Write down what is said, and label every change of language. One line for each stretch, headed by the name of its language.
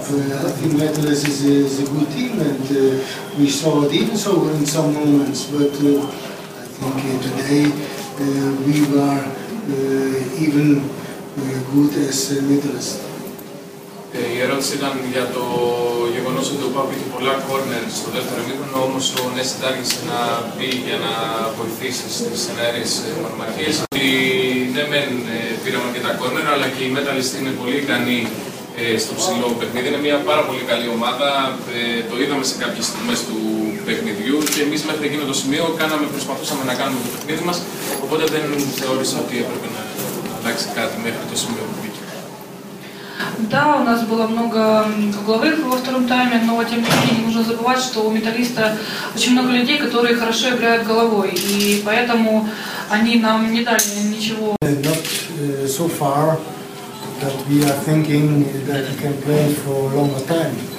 English: I think Metalist is a good team, and we saw it even so in some moments. But I think today we were even good as Metalist.
Greek: Η ερώτηση ήταν για το γεγονός ότι ο Πάπη είχε πολλά κόρνερ στο δεύτερο ημίχρονο, όμως ο Νέστη τάργησε να μπει για να βοηθήσει στις ενέργειες μονομαχίες. Ότι ναι, μεν πήραμε αρκετά κόρνερ, αλλά και η Metalist είναι πολύ ικανή στο ψηλό παιχνίδι. Είναι μια πάρα πολύ καλή ομάδα. Το είδαμε σε κάποιες στιγμές του παιχνιδιού και εμείς μέχρι εκείνο το σημείο προσπαθούσαμε να κάνουμε το παιχνίδι μας. Οπότε δεν θεώρησα ότι έπρεπε να αλλάξει κάτι μέχρι το σημείο που μπήκε.
Russian: Да, у нас было много угловых во втором тайме, но тем не менее не нужно забывать, что у Металлиста очень много людей, которые хорошо играют головой, и поэтому они нам не дали ничего.
English: Not so far that we are thinking that we can play for longer time.